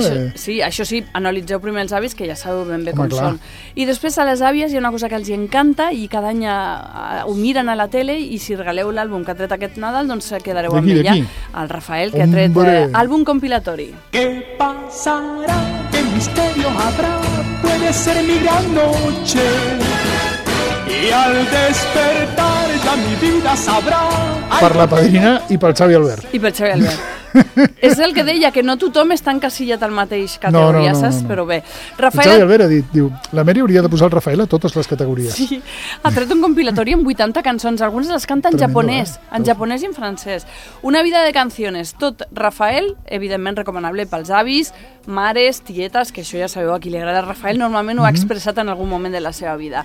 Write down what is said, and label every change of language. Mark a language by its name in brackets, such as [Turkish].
[Catalan] Això, sí, això sí, analitzeu primer els avis, que ja sabeu ben bé com són. I després a les àvies hi ha una cosa que els encanta i cada any ho miren a la tele, i si regaleu l'àlbum que ha tret aquest Nadal, doncs quedareu amb ella, el Rafael, que ha tret àlbum compilatori. [Spanish] Què passarà? Què misteri habrá? Puede ser mi gran noche y al despertar ya mi vida sabrá. [Catalan] Per la padrina i pel Xavi Albert. I pel Xavi Albert. És el que deia, que no tothom està encasillat al mateix categoria, no, saps? No. Però bé. Rafael... El Xavi Albert ha dit, diu, la Mary hauria de posar el Rafael a totes les categories. Sí, ha tret un compilatori amb 80 cançons, algunes les canta en japonès, en japonès i en francès. Una vida de canciones, tot Rafael, evidentment recomanable pels avis, mares, tietes, que això ja sabeu a qui li agrada Rafael, normalment ho ha expressat en algun moment de la seva vida.